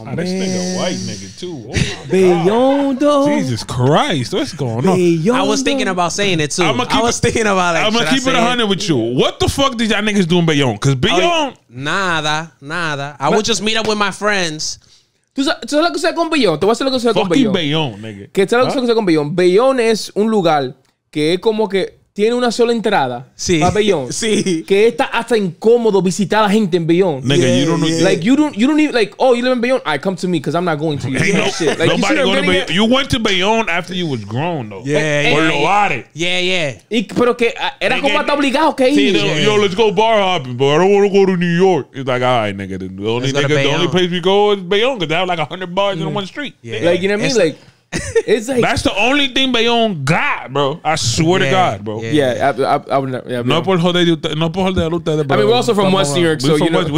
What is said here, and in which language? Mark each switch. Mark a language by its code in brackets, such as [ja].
[en] this nigga white nigga too. Oh, Beyond. Jesus Christ, what's going on? Beyond. I was thinking about saying it too. I'm gonna keep it 100 with you. What the fuck did y'all niggas do in Beyond? Cause Beyond, [es] nada. [en] I would just meet up with my friends. [es] ¿Tú sabes lo que sucede con Beyond? Te voy a decir lo que sucede con Beyond. [en] Fucking Beyond, nigga. [es] ¿Qué tal lo que sucede con Beyond? Beyond es un lugar que es como que tiene una sola entrada, sí, para Beyond. Sí. Que está hasta incómodo visitar a la gente en Beyond. [en] Nigga, yeah, you don't know. Like, you don't even, like, oh, you live in Beyond? All right, come to me, because I'm not going to you. Hey, no, like, nobody going to Beyond. You went to Beyond after you was grown, though. Yeah. Or you are it. Yeah, yeah. [es] Y, pero que era como hasta obligado que ir. Sí, no, yeah. [en] Yo, let's go bar hopping, but I don't want to go to New York. It's like, all right, nigga. The only place we go is Beyond, because they have like 100 bars in one street. Yeah. Yeah. Like, you know what I mean? Like. It's like, that's the only thing Beyond got, bro. I swear to God, bro. I would never. I mean, we're also from West New York, so you know.